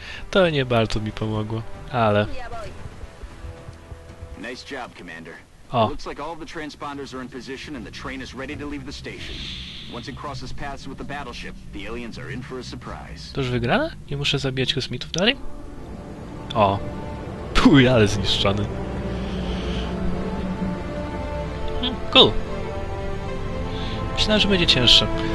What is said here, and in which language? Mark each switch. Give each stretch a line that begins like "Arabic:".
Polish: To nie bardzo mi pomogło, ale...
English: Nice job, Commander. O. Looks like all the transponders are in position and the train is ready to leave the station. Once it crosses paths with the battleship, the aliens are in for a surprise.
Polish: To już wygrane? Nie muszę zabijać kosmitów dalej? O. Pój, ale zniszczony. Cool. Myślałem, że będzie cięższe.